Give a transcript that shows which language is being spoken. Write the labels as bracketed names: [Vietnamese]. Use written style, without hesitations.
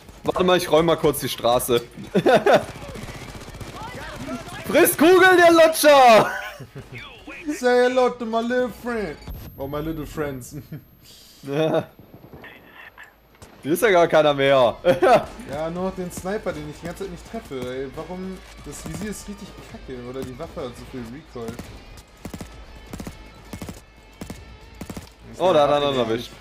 [German] Warte mal, ich räume mal kurz die Straße. Friss Kugel, der Lutscher! [English] Say hello to my little friend. Oh, my little friends. [German] Ja. Hier ist ja gar keiner mehr. Ja, nur noch den Sniper, den ich die ganze Zeit nicht treffe. Ey, warum? Das Visier ist richtig kacke. Oder die Waffe hat so viel Recoil. Oh, da hat er einen erwischt.